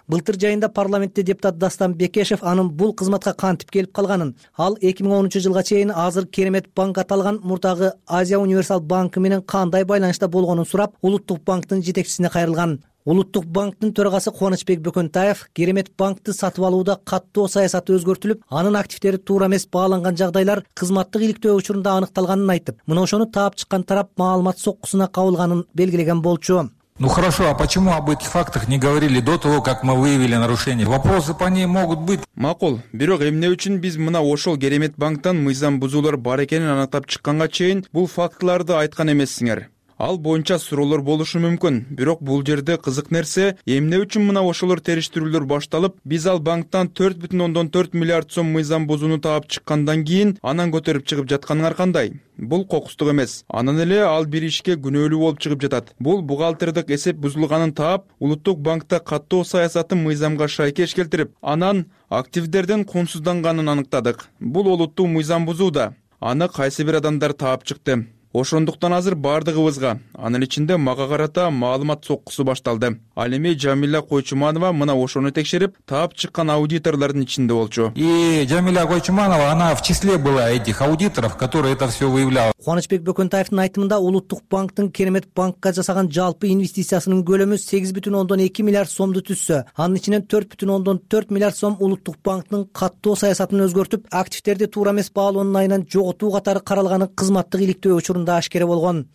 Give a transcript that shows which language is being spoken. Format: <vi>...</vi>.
<ky>Былтыр жайында парламентте депутат Дастан Бекешев анын бул кызматка кантип келип калганын, ал 2013-жылга чейин азыр Керемет банк аталган мурдагы Азия Универсал банкы менен кандай байланышта болгонун сурап, Улуттук банктын жетекчисине кайрылган. Улуттук банктын төрагасы Кубанычбек Бөкөнтаев Керемет банкты сатып алууда каттоо саясаты өзгөртүлүп, анын активдери туура эмес бааланган жагдайлар кызматтык иликтөө учурунда аныкталганын айтып, мына ошону таап чыккан тарап маалымат соккусуна кабылганын белгилеген болчу.</ky> <ru>Ну хорошо, а почему об этих фактах не говорили до того, как мы выявили нарушение? Вопросы по ней могут быть.</ru> <ky>Макул, бирок эмне үчүн биз мына ошол Керемет банктан мыйзам бузуулар бар экенин аныктап чыкканга чейин бул фактыларды айткан эмессиңер? Ал боюнча суроолор болушу мүмкүн, бирок бул жерде кызык нерсе, эмне үчүн мына ошолор териштирүүлөр башталып, биз ал банктан 4,4 миллиард сом мыйзам бузууну таап чыккандан кийин анан көтөрүп чыгып жаткандар кандай? Бул кокустук эмес. Анан эле ал бир ишке күнөөлүү болуп чыгып жатат. Бул бухгалтердик эсеп бузулганын таап, Улуттук банкта каттоо саясатын мыйзамга шайкеш келтирип, анан активдерден кунсузданганын аныктадык. Бул олуттуу мыйзам бузууда. Аны кайсы бир адамдар таап чыкты. Ошондуктан азыр бардыгыбызга, анын ичинде мага карата маалымат соккусу башталды. Ал эми Жамила Койчуманова мына ошону текшерип, таап чыккан аудиторлордун ичинде болчу.</ky> <ru>И Жамила Койчуманова, она в числе была этих аудиторов, которые это все выявляли.</ru> <ky>Кубанычбек Бөкөнтаевдин айтымында Улуттук банктын Керемет банкка жасаган жалпы инвестициясынын көлөмү 8,2 миллиард сомду түзсө, анын ичинен 4,4 миллиард сом Улуттук банктын каттоо саясатын өзгөртүп, активдерди туура эмес баалоонун айынан жоготуу катары каралганы кызматтык иликтөө учурунда ашкере болгон.</ky>